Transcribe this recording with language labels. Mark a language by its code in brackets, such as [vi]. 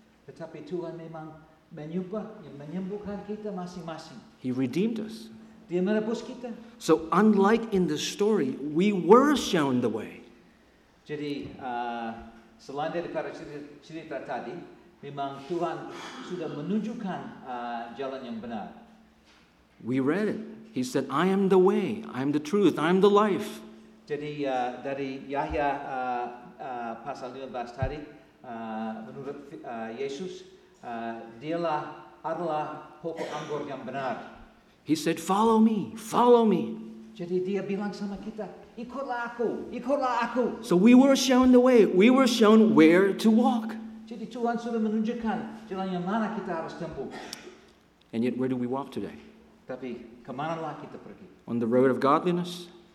[id] Tetapi Tuhan memang menyembuhkan kita masing-masing. [en] He redeemed us. [id] Dia menebus kita. [en] So unlike in the story, we were shown the way. [id] Jadi selain daripada cerita tadi, memang Tuhan sudah menunjukkan jalan yang benar. [en] We read it. He said, "I am the way, I am the truth, I am the life." [id] Jadi dari Yahya pasal 15 tadi, menurut Yesus, dialah adalah pokok anggur yang benar. [en] He said, "Follow me, follow me." [id] Jadi dia bilang sama kita, ikutlah aku, ikutlah aku. [en] So we were shown the way. We were shown where to walk. [id] Jadi Tuhan sudah menunjukkan jalan yang mana kita harus tempuh. [en] And yet, where do we walk today? [id] Tapi kemanalah kita pergi? [en] On the road of godliness.